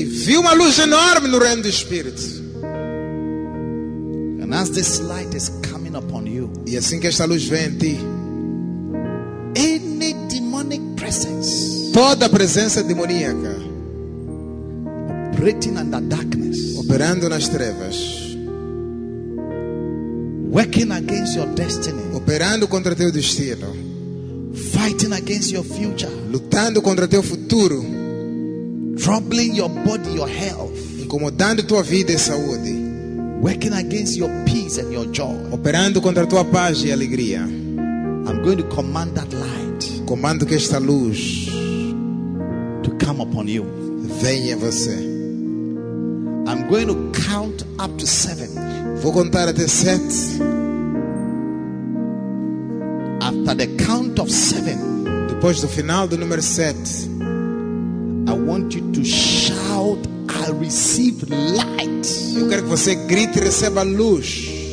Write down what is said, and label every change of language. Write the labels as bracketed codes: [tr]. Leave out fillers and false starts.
[pt] E viu uma luz enorme no reino do espírito. [en] And as this light is coming upon you, [pt] e assim que esta luz vem em ti, [en] any demonic presence, [pt] toda presença demoníaca, [en] operating under darkness, [pt] operando nas trevas, [en] working against your destiny, [pt] operando contra teu destino, [en] fighting against your future, [pt] lutando contra teu futuro, [en] troubling your body, your health, [pt] incomodando tua vida e saúde, [en] working against your peace and your joy, [pt] operando contra tua paz e alegria, [en] I'm going to command that light, [pt] comando que esta luz, [en] to come upon you, [pt] venha em você. [en] I'm going to count up to 7. [pt] Vou contar até 7. [en] After the count of 7, [pt] depois do final do número 7, [en] I want you to shout, I receive light. [pt] Eu quero que você grite e receba luz.